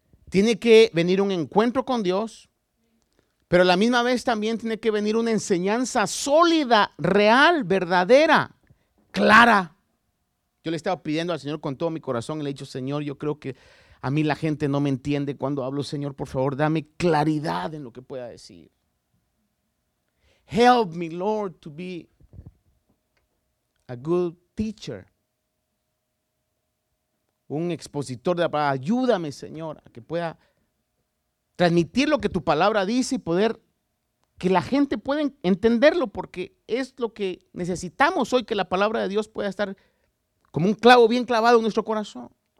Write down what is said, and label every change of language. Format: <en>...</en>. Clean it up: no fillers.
<es>Tiene que venir un encuentro con Dios, pero a la misma vez también tiene que venir una enseñanza sólida, real, verdadera, clara. Yo le estaba pidiendo al Señor con todo mi corazón, y le he dicho: Señor, yo creo que a mí la gente no me entiende cuando hablo. Señor, por favor, dame claridad en lo que pueda decir.</es> <en>Help me, Lord, to be a good teacher.</en> <es>Un expositor de la palabra. Ayúdame, Señor, a que pueda transmitir lo que tu palabra dice y poder que la gente pueda entenderlo, porque es lo que necesitamos hoy, que la palabra de Dios pueda estar como un clavo bien clavado en nuestro corazón.</es>